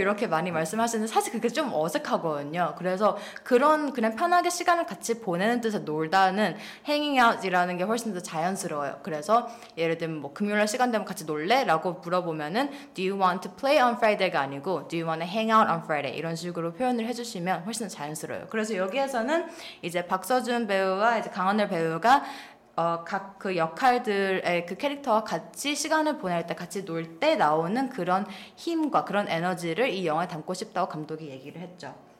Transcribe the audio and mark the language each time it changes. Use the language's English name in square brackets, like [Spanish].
[Korean] 이렇게 많이 말씀하시는데 사실 그게 좀 어색하거든요. 그래서 그런 그냥 편하게 시간을 같이 보내는 뜻의 놀다는 hanging out이라는 게 훨씬 더 자연스러워요. 그래서 예를 들면 뭐 금요일날 시간 되면 같이 놀래? 라고 물어보면은 [English] Do you want to play on Friday? [Korean] 가 아니고 [English] Do you want to hang out on Friday? [Korean] 이런 식으로 표현을 해주시면 훨씬 더 자연스러워요. 그래서 여기에서는 이제 박서준 배우와 이제 강하늘 배우가 각 그 역할들의 그 캐릭터와 같이 시간을 보낼 때 같이 놀 때 나오는 그런 힘과 그런 에너지를 이 영화에 담고 싶다고 감독이 얘기를 했죠.